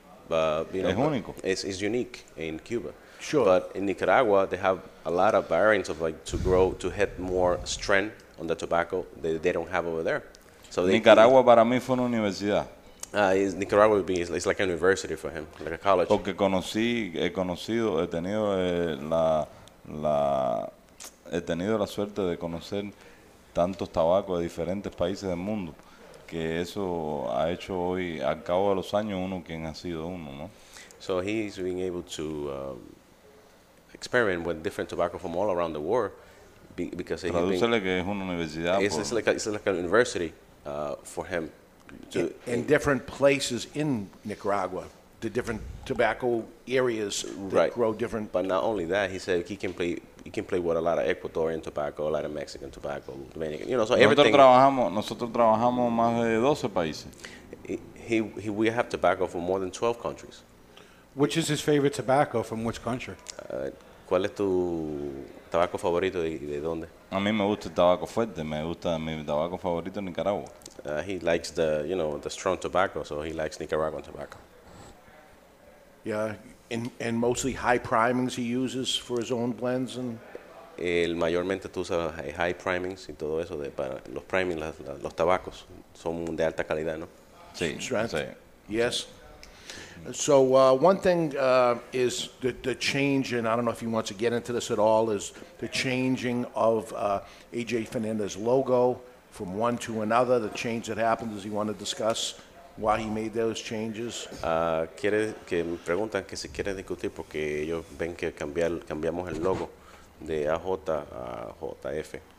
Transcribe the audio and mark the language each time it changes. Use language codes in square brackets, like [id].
[es] Es único. [en] It's unique in Cuba. Sure. But in Nicaragua, they have a lot of variants of like to grow to have more strength on the tobacco that they don't have over there. So [es] Nicaragua para mí fue una universidad. [en] Nicaragua would be it's like a university for him, like a college. [es] Porque he tenido la suerte de conocer tantos tabacos de diferentes países del mundo que eso ha hecho hoy al cabo de los años uno quien ha sido uno, ¿no? [en] So he's been able to experiment with different tobacco from all around the world because he's [es] Tradúcele que es una universidad. [en] It's like a university. For him, to in different places in Nicaragua, the different tobacco areas that right. grow different. But not only that, he said he can play with a lot of Ecuadorian tobacco, a lot of Mexican tobacco, Dominican. So everything. [es] Nosotros trabajamos más de 12 países. [en] We have tobacco from more than 12 countries. Which is his favorite tobacco from which country? [es] ¿Cuál es tu tabaco favorito y de dónde? A mí me gusta el tabaco fuerte, me gusta mi tabaco favorito en Nicaragua. [en] He likes the strong tobacco, so he likes Nicaraguan tobacco. Yeah, And mostly high primings he uses for his own blends and. [es] El mayormente tú usas high primings y todo eso de para los primings los tabacos son de alta calidad, ¿no? Sí. Strength. Sí. [en] Yes. So one thing is the change, and I don't know if he wants to get into this at all, is the changing of AJ Fernandez's logo from one to another. The change that happened. Does he want to discuss why he made those changes? [es] Quiere que preguntan que si quieren discutir porque ellos ven que cambiamos el logo de AJ a JF.